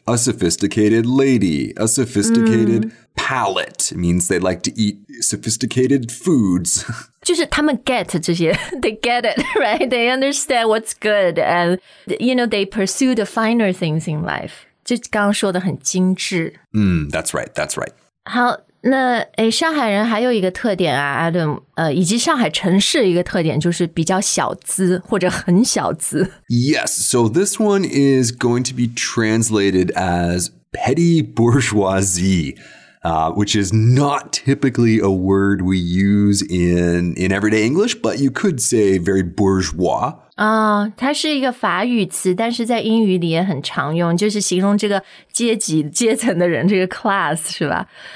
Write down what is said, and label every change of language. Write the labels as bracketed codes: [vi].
[en] A sophisticated lady, a sophisticated palate means they like to eat sophisticated foods. [zh] 就是他们 [en] get [zh] 这些 [en] they get it, right? They understand what's good and, you know, they pursue the finer things in life. [zh] 就刚刚说的很精致。 [en] That's right, that's right. [zh] 好。那上海人还有一个特点啊 ，Adam， 以及上海城市一个特点就是比较小资或者很小资。 [en] Yes, so this one is going to be translated as petty bourgeoisie, which is not typically a word we use in everyday English, but you could say very bourgeois. [zh] 它是一个法语词，但是在英语里也很常用，就是形容这个阶级阶层的人，这个 class 是吧？